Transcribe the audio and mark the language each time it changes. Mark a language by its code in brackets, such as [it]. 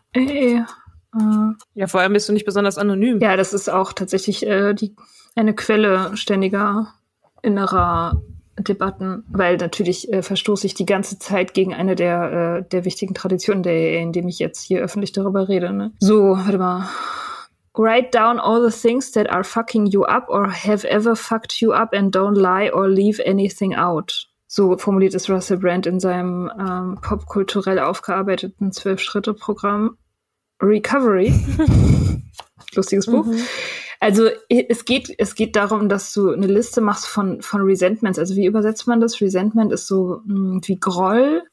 [de] Ja, vor allem bist du nicht besonders anonym. Ja, das ist auch tatsächlich eine Quelle ständiger innerer Debatten, weil natürlich verstoße ich die ganze Zeit gegen eine der wichtigen Traditionen der AA, indem ich jetzt hier öffentlich darüber rede. Ne? So, warte mal. [en] Write down all the things that are fucking you up or have ever fucked you up, and don't lie or leave anything out. [de] So formuliert es Russell Brand in seinem popkulturell aufgearbeiteten 12-Schritte-Programm Recovery. Lustiges Buch. Also es geht darum, dass du eine Liste machst von Resentments. Also wie übersetzt man das? Resentment ist so wie Groll.